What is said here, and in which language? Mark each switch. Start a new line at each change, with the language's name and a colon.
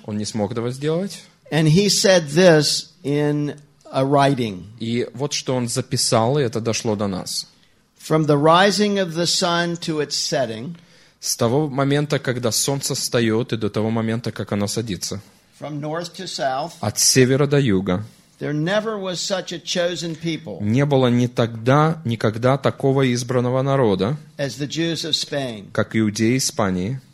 Russian: Он не смог этого сделать.
English: And he said this in a writing.
Russian: И вот что он записал, и это дошло до нас.
English: From the rising of the sun to its setting.
Russian: С того момента, когда солнце встает, и до того момента, как оно садится.
English: From north to south.
Russian: От севера до юга.
English: There never was such a chosen people.
Russian: Не было ни тогда, никогда такого избранного народа.
English: As the Jews of Spain.
Russian: Как иудеи Испании.